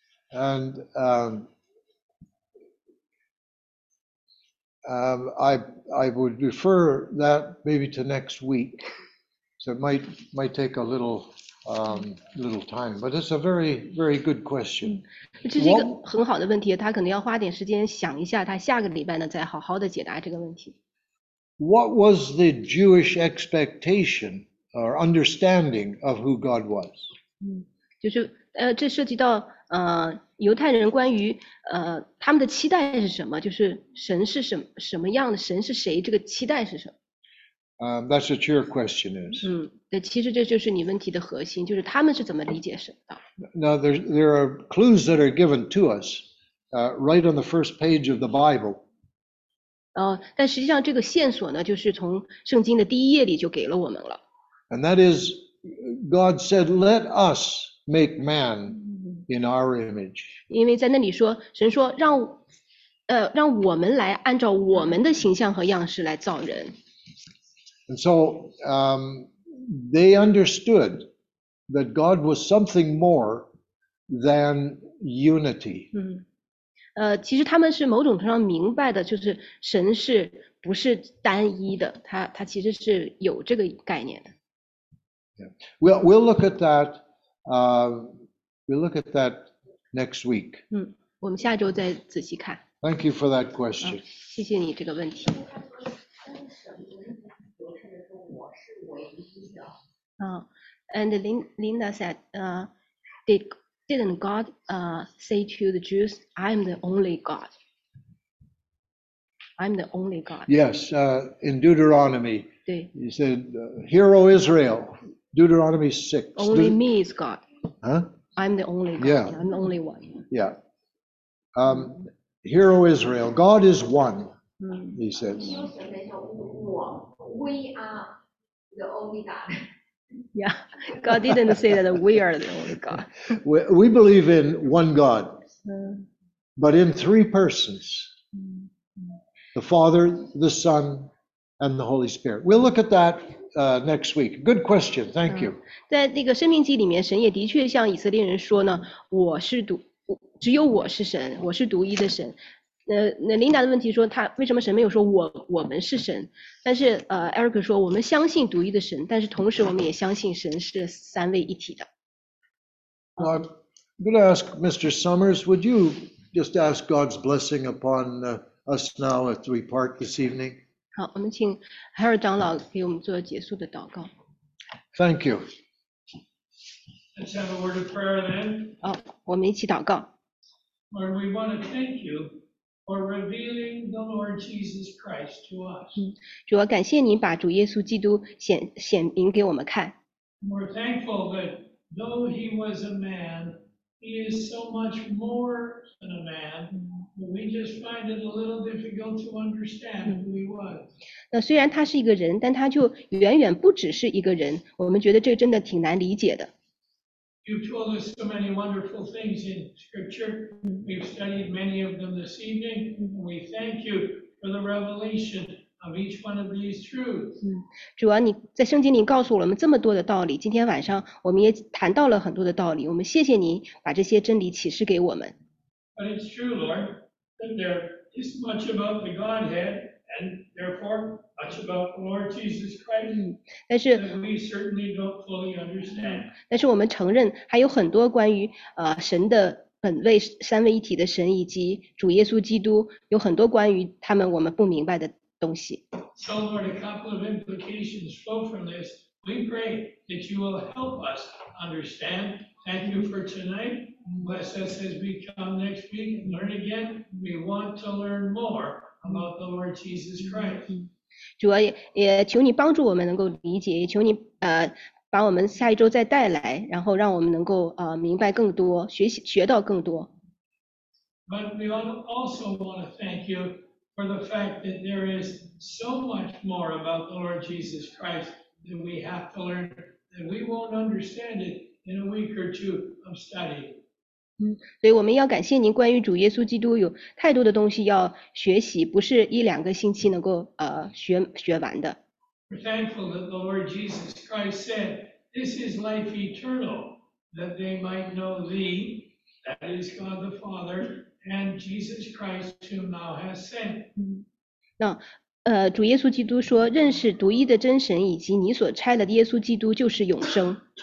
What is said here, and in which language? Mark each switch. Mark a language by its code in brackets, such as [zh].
[en] And I would refer that maybe to next week. So it might take a little time, but it's a very very good question. [zh] 这是一个很好的问题，他可能要花点时间想一下，他下个礼拜呢再好好的解答这个问题。 [en] What was the Jewish expectation or understanding of who God was? [zh] 就是这涉及到犹太人关于他们的期待是什么？就是神是什么样的？神是谁？这个期待是什么？ [en] That's what your question is. [zh] 对，其实这就是你问题的核心，就是他们是怎么理解神的 [en] ？Now there are clues that are given to us, right on the first page of the Bible. [zh] 但实际上这个线索呢，就是从圣经的第一页里就给了我们了。 [en] And that is, God said, "Let us make man in our image." [zh] 因为在那里说，神说让我们来按照我们的形象和样式来造人。 [en] And so, they understood that God was something more than unity. [zh] 其实他们是某种程度上明白的，就是神是不是单一的，他其实是有这个概念的。 [en] Yeah. We'll look at that. We'll look at that next week. [zh] 我们下周再仔细看。 [en] Thank you for that question. [zh] 谢谢你这个问题。他说，为什么犹太人说我是唯一的？ [en] And Linda said, Didn't God say to the Jews, "I'm the only God"? I'm the only God. Yes, in Deuteronomy, 对 he said, "Hear, O Israel." Deuteronomy 6. Only me is God. Huh? I'm the only God. Yeah. I'm the only one. Yeah. Hear, O Israel. God is one. He says. We are the only God. Yeah, God didn't say that we are the only God. We believe in one God, but in three persons, the Father, the Son, and the Holy Spirit. We'll look at that next week. Good question. Thank you. [zh] 在那个生命记里面，神也的确向以色列人说呢，我是独，只有我是神，我是独一的神。那琳达的问题说，他为什么神没有说我们是神？但是Eric 说，我们相信独一的神，但是同时我们也相信神是三位一体的。 [en] Well, I'm going to ask Mr. Summers, would you just ask God's blessing upon us now as we part this evening? [zh] 好，我们请海尔长老给我们做结束的祷告。 [en] Thank you. Let's have a word of prayer then. [zh] 好，我们一起祷告。 [en] Lord, we want to thank you. For revealing the Lord Jesus Christ to us. [zh] 主啊，感谢你把主耶稣基督显明给我们看。 [en] We're thankful that though he was a man, he is so much more than a man. We just find it a little difficult to understand who he was. [zh] 那虽然他是一个人，但他就远远不只是一个人。我们觉得这真的挺难理解的。 [en] You've told us so many wonderful things in Scripture. We've studied many of them this evening. We thank you for the revelation of each one of these truths. [zh] 主啊，你在圣经里告诉我们这么多的道理，今天晚上我们也谈到了很多的道理，我们谢谢你把这些真理启示给我们。 [en] But it's true, Lord, that there is much about the Godhead, and therefore much about the Lord Jesus Christ. [zh] 但是 [en] we certainly don't fully understand. [zh] 但是我们承认还有很多关于神的本位三位一体的神以及主耶稣基督，有很多关于他们我们不明白的东西。 [en] So Lord, a couple of implications flow from this. We pray that you will help us understand. Thank you for tonight. Bless us as we come next week and learn again. We want to learn more about the Lord Jesus Christ. [zh] 主啊，也求你帮助我们能够理解，也求你把我们下一周再带来，然后让我们能够明白更多，学到更多。 [en] But we also want to thank you for the fact that there is so much more about the Lord Jesus Christ than we have to learn, that we won't understand it in a week or two of study. [zh] 所以我们要感谢您，关于主耶稣基督有太多的东西要学习，不是一两个星期能够学完的。 [en] We're thankful that the Lord Jesus Christ said, "This is life eternal, that they might know Thee, that is God the Father, and Jesus Christ whom Thou hast sent." [zh] 那主耶稣基督说，认识独一的真神以及你所差的耶稣基督就是永生。